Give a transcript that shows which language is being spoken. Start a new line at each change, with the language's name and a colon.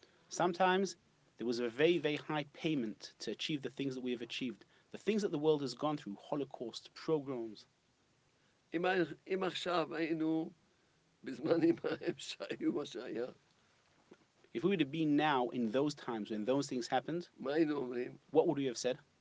English: Sometimes there was a very, very high payment to achieve the things that we have achieved, the things that the world has gone through, Holocaust, pogroms.
Hebrew: אם עכשיו היינו בזמנים ההם שהיו מה שהיה,
English: if we would have been now in those times when those things happened, what would we have said?